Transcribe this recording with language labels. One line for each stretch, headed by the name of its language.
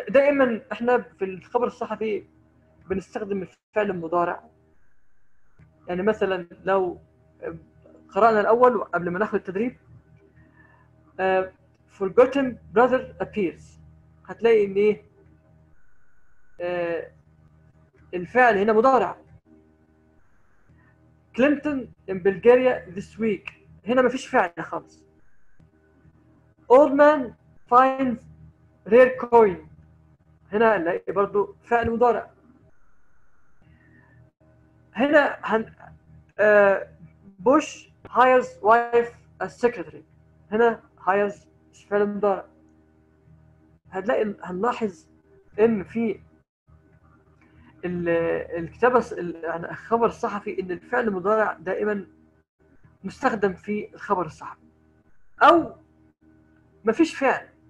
Arabic: دائما احنا في الخبر الصحفي بنستخدم الفعل المضارع، يعني مثلا لو قرأنا الأول قبل ما ناخذ التدريب
English: forgotten brother appears،
Arabic: هتلاقي ان ايه الفعل هنا مضارع.
English: Clinton in Bulgaria this week،
Arabic: هنا مفيش فعل خالص.
English: Old man finds rare coin،
Arabic: هنا نلاقي برضو فعل مضارع. هنا
English: Bush hires wife as secretary، هنا hires
Arabic: مش فعل مضارع. هنلاقي هنلاحظ ان في الكتابة يعني الخبر الصحفي ان الفعل المضارع دائما مستخدم في الخبر الصحفي او ما فيش فعل.